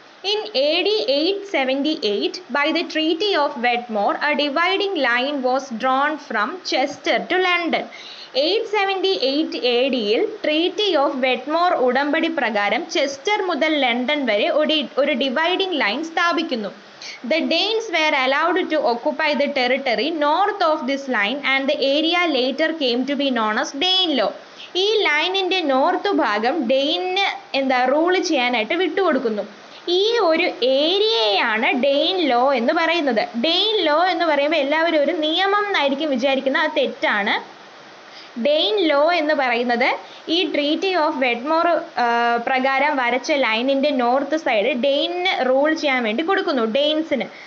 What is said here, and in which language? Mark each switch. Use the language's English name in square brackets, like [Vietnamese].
[English] In AD 878 by the treaty of Wedmore a dividing line was drawn from Chester to London. [Malayalam] 878 AD treaty of വെറ്റ്മോർ ഉടമ്പടി പ്രകാരം Chester മുതൽ London വരെ ഒരു dividing line സ്ഥാപിക്കുന്നു. [English] The Danes were allowed to occupy the territory north of this line and the area later came to be known as Danelaw. [Malayalam] ഈ ലൈനിൻ്റെ north ഭാഗം ഡെയ്ന് എന്താ റൂൾ ചെയ്യാനായിട്ട് വിട്ടുകൊടുക്കുന്നു. ഈ ഒരു ഏരിയയാണ് ഡെയ്ൻലോ എന്ന് പറയുന്നത്. ഡെയ്ൻലോ എന്ന് പറയുമ്പോൾ എല്ലാവരും ഒരു നിയമം എന്നായിരിക്കും വിചാരിക്കുന്നത്, അത് തെറ്റാണ്. ഡെയ്ൻലോ എന്ന് പറയുന്നത് ഈ ട്രീറ്റി ഓഫ് വെറ്റ്മോർ പ്രകാരം വരച്ച ലൈനിൻ്റെ നോർത്ത് സൈഡ് ഡെയ്നിന് റൂൾ ചെയ്യാൻ വേണ്ടി കൊടുക്കുന്നു, ഡെയ്ൻസിന്.